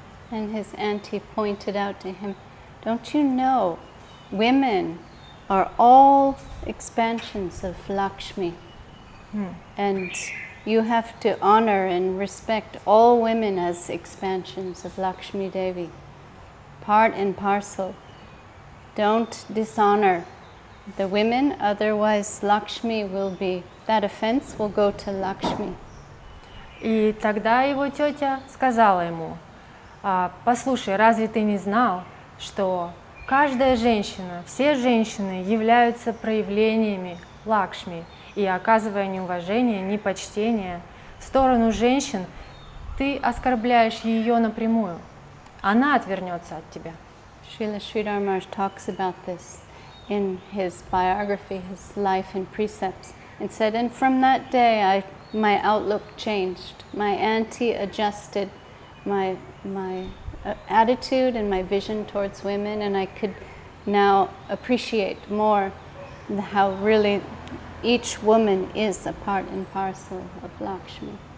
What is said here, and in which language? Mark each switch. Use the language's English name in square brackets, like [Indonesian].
[English] And his auntie pointed out to him, "Don't you know, women are all expansions of Lakshmi, and you have to honor and respect all women as expansions of Lakshmi Devi, part and parcel. Don't dishonor the women, otherwise Lakshmi will be, that offense will go to Lakshmi." [Russian] И тогда его тетя сказала ему, послушай, разве ты не знал, что каждая женщина, все женщины являются проявлениями Лакшми, и оказывая неуважение, непочтение в сторону женщин, ты оскорбляешь ее напрямую. Она отвернется от тебя. [English] Шрила Шридхар Махарадж talks about this in his biography, his life and precepts, and said, and from that day, my outlook changed. My auntie adjusted my attitude and my vision towards women, and I could now appreciate more how really each woman is a part and parcel of Lakshmi.